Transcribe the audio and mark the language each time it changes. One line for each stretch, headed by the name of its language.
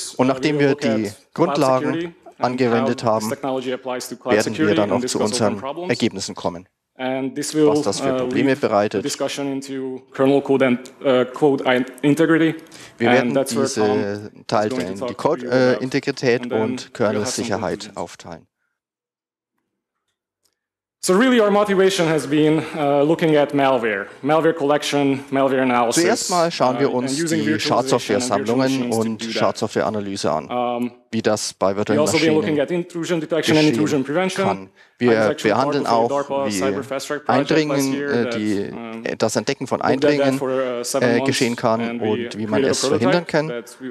German: Und nachdem wir die Grundlagen angewendet haben, werden wir dann auch zu unseren Ergebnissen kommen, was das für Probleme bereitet. Wir werden diese teilen, die Code-Integrität und Kernel-Sicherheit aufteilen.
English: So really our motivation has been looking at malware, malware collection, malware analysis.
German: Zuerst mal schauen wir uns die Schadsoftware-Sammlungen und Schadsoftware-Analyse an, wie das bei virtuellen Maschinen
English: also looking at intrusion detection and intrusion prevention.
German: Kann. Wir behandeln auch, wie Eindringen, das Entdecken von Eindringen geschehen kann und wie man es verhindern kann.